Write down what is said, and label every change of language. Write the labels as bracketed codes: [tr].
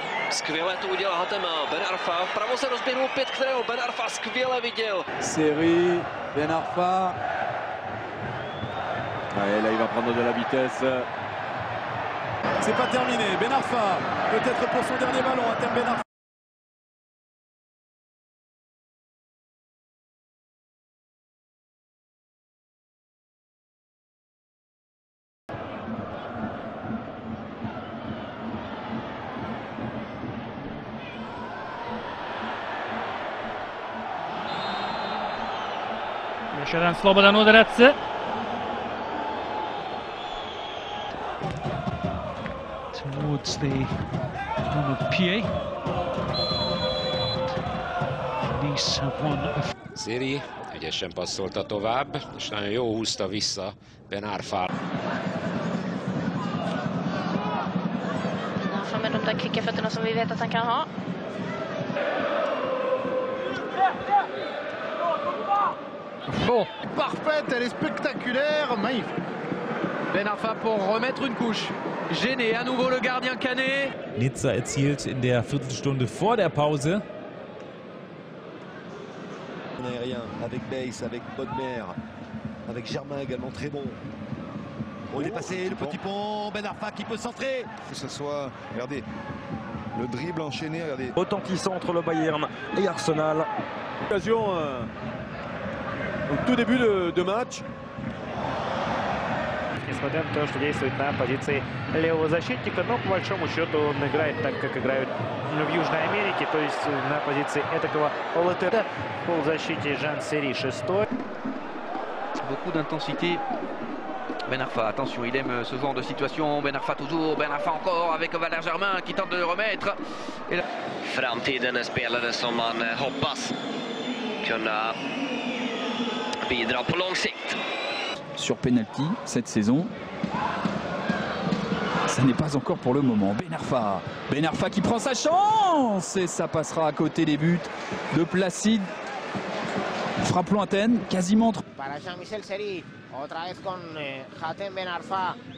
[cs] Skvěle to udělal Hatem Ben Arfa. Vpravo se rozběhl opět, kterého Ben Arfa skvěle viděl. Seri, Ben Arfa. [fr] Allez, là il va prendre de la vitesse. C'est pas terminé. Ben Arfa, peut-être pour son dernier ballon, Hatem Ben Arfa. [hr] Jeden slobodan udarec. [en] Towards the home of PA. Nice have won. [hu] Siri egyesen passzolta tovább, és nagyon jó húzta vissza Ben Arfa. [sv] Ben Arfa med de där kvicka fötterna som vi vet att han kan ha. [fr] Bon, parfaite, elle est spectaculaire, magnifique. Ben Arfa pour remettre une couche. Gêné, à nouveau le gardien Canet. [de] Nizza erzielt in der Viertelstunde vor der Pause. [fr] En aérien, avec Bayes, avec Bodmer, avec Germain également, très bon. Oh, il est passé, le petit pont, Ben Arfa qui peut centrer. Que ce soit, regardez, le dribble enchaîné, regardez. Retentissant entre le Bayern et Arsenal. Occasion. Tout début de match. [ru] Несмотря на то, что действует на позиции левого защитника, но по большому счету он играет так, как играют в Южной Америке, то есть на позиции этакого латерана. В полузащите Жан Сери, шестой. [fr] Beaucoup d'intensité. Ben Arfa, attention, il aime ce genre de situation. Ben Arfa toujours, Ben Arfa encore avec Valère Germain qui tente de le remettre. Et là... [sv] Framtiden är spelare som man hoppas kunna bidra på lång sikt. [fr] Sur penalty cette saison. Ça n'est pas encore pour le moment. Ben Arfa. Ben Arfa qui prend sa chance et ça passera à côté des buts de Placide. Frappe lointaine, quasiment [es] para Jean-Michel Seri. Otra vez con Hatem Ben Arfa.